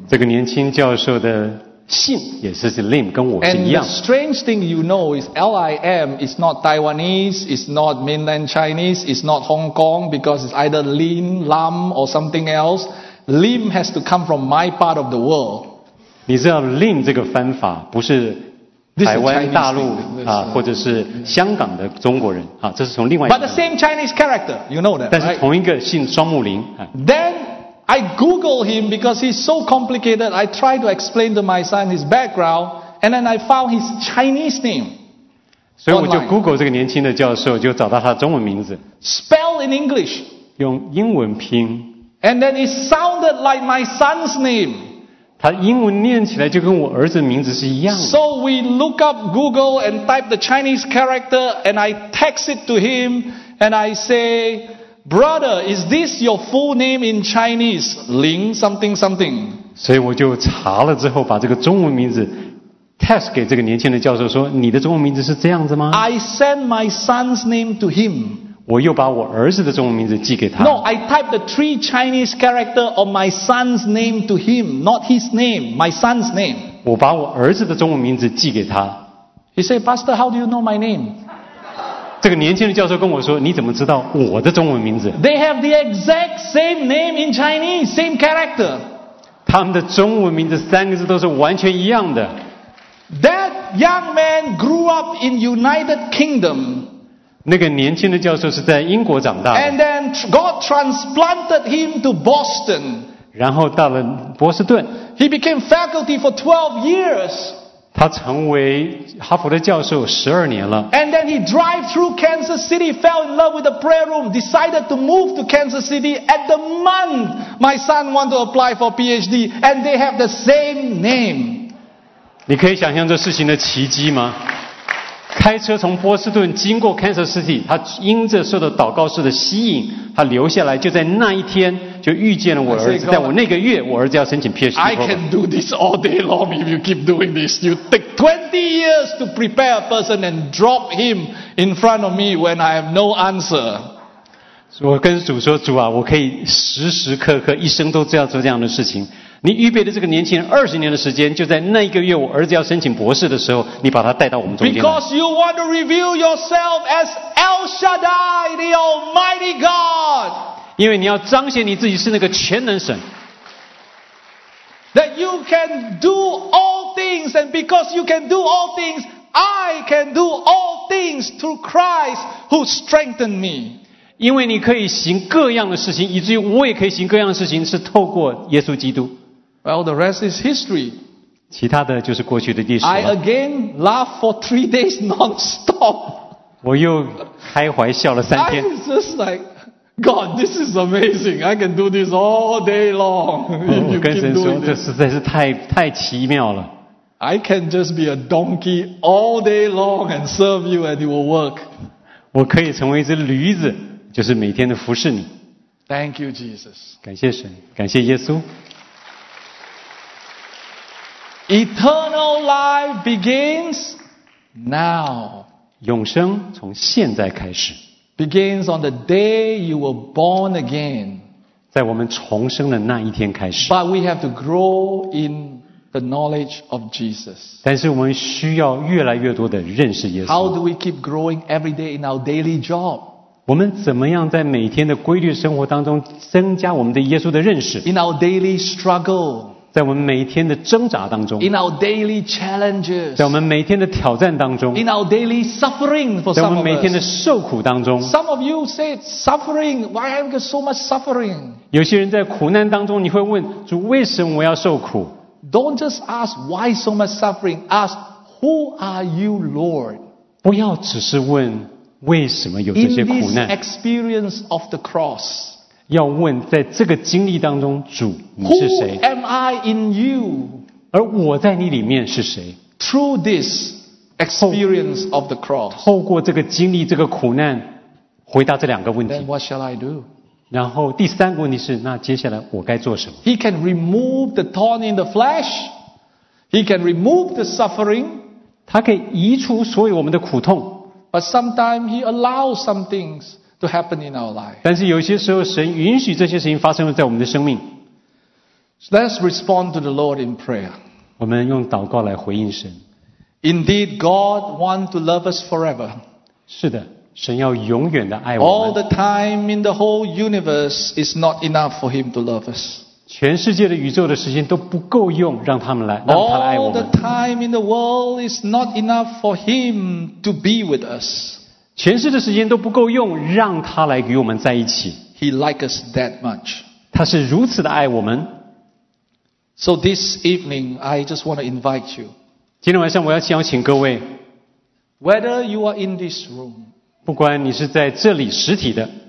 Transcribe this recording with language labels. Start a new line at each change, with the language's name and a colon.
Chinese: 这个年轻教授的信也是是 Lim 跟我是一样。
English: And the strange thing you know is Lim is not Taiwanese, it's not mainland Chinese, it's not Hong Kong because it's either Lin, Lam or something else. Lim has to come from my part of the world.
Chinese: 你知道 Lim 这个翻法不是台湾大陆啊，或者是香港的中国人啊，这是从另外一
English: 个。But the same Chinese character, you know that.
Chinese: 但是同一个姓双木林。
English: Then. I Google him because he's so complicated. I try to explain to my son his background, and then I found his Chinese name.
Chinese: 所以我就 Google 这个年轻的教授，就找到他的中文名字。
English: Spell in English.
Chinese: 用英文拼。
English: And then it sounded like my son's name.
Chinese: 他英文念起来就跟我儿子名字是一样的。
English: So we look up Google and type the Chinese character, and I text it to him, and I say. Brother, is this your full name in Chinese? Ling something something.
Chinese: 所以我就查了之后，把这个中文名字 text 给这个年轻的教授说，你的中文名字是这样子吗？
English: I send my son's name to him.
Chinese: 我又把我儿子的中文名字寄给他。
English: No, I type the three Chinese character of my son's name to him, not his name, my son's name.
Chinese: 我把我儿子的中文名字寄给他。
English: He said, Pastor, how do you know my name?
Chinese: 这个年轻的教授跟我说，你怎么知道我的中文名字？
English: They have the exact same name in Chinese, same character.
Chinese: 他们的中文名字三个字都是完全一样的。
English: That young man grew up in United Kingdom.
Chinese: 那个年轻的教授是在英国长大的。
English: And then God transplanted him to Boston.
Chinese: 然后到了波士顿。
English: He became faculty for 12 years.
Chinese: 他成为哈佛的教授12年了。
English: And then he drive through Kansas City, fell in love with the prayer room, decided to move to Kansas City at the month my son want to apply for PhD, and they have the same name.
Chinese: 你可以想象这事情的奇迹吗？开车从波士顿经过 Kansas City, 他因着受到祷告式的吸引，他留下来，就在那一天就遇见了我儿子，在我那个月我儿子要申请 PhD
English: program。 I can do this all day long if you keep doing this. You take 20 years to prepare a person and drop him in front of me when I have no answer。
Chinese: 我跟主说，主啊，我可以时时刻刻一生都这样做这样的事情，你预备的这个年轻人二十年的时间，就在那一个月我儿子要申请博士的时候，你把他带到我们中间。
English: Because you want to reveal yourself as El Shaddai, the Almighty God.
Chinese: 因为你要彰显你自己是那个全能神。
English: That you can do all things, and because you can do all things, I can do all things through Christ who strengthened me.
Chinese: 因为你可以行各样的事情，以至于我也可以行各样的事情，是透过耶稣基督。
English: Well, the rest is history.
Chinese: 其他的就是过去的历史了。
English: I again laughed for 3 days non-stop.
Chinese: 我又开怀笑了三天。
English: I was just like, God, this is amazing. I can do this all day long.
Chinese: 我跟神说，这实在是太奇妙了。
English: I can just be a donkey all day long and serve you, and it will work.
Chinese: 我可以成为一只驴子。就是每天的服侍你。
English: Thank you, Jesus.
Chinese: 感谢神，感谢耶稣。
English: Eternal life begins now.
Chinese: 永生从现在开始。
English: Begins on the day you were born again.
Chinese: 在我们重生的那一天开始。
English: But we have to grow in the knowledge of Jesus.
Chinese: 但是我们需要越来越多的认识耶稣。
English: How do we keep growing every day in our daily job?
Chinese: 我们怎么样在每天的规律生活当中增加我们对耶稣的认识？
English: In our daily struggle,
Chinese: 在我们每天的挣扎当中。
English: In our daily challenges,
Chinese: 在我们每天的挑战当中。
English: In our daily suffering,
Chinese: 在我们每天的受苦当中。
English: Some of you say suffering, why have you so much suffering?
Chinese: 有些人在苦难当中，你会问主，为什么我要受苦？
English: Don't just ask why so much suffering, ask who are you, Lord?
Chinese: 不要只是问为什么有这些苦难？
English: In this experience of the cross,
Chinese: 要问在这个经历当中，主你是谁？
English: Who am I in you?
Chinese: 而我在你里面是谁？
English: Through this experience of the cross,
Chinese: 透过这个经历，这个苦难，回答这两个问题。
English: Then what shall I do?
Chinese: 然后第三个问题是，那接下来我该做什么？
English: He can remove the thorn in the flesh. He can remove the suffering.
Chinese: 他可以移除所有我们的苦痛。
English: But sometimes he allows some things to happen in our life.
Chinese: 但是有些时候神允许这些事情发生在我们的生命。
English: Let's respond to the Lord in prayer.
Chinese: 我们用祷告来回应神。
English: Indeed, God wants to love us forever.
Chinese: 是的，神要永远的爱我们。
English: All the time in the whole universe is not enough for him to love us.
Chinese: 全世界的宇宙的时间都不够用让他们来让他爱我们。
English: All the time in the world is not enough for him to be with us.
Chinese: 全世界的时间都不够用让他来与我们在一起。
English: He likes us that much.
Chinese: 他是如此的爱我们。
English: So this evening, I just want to invite you.
Chinese: 今天晚上我要邀请各位。
English: Whether you are in this room,
Chinese: 不管你是在这里实体的。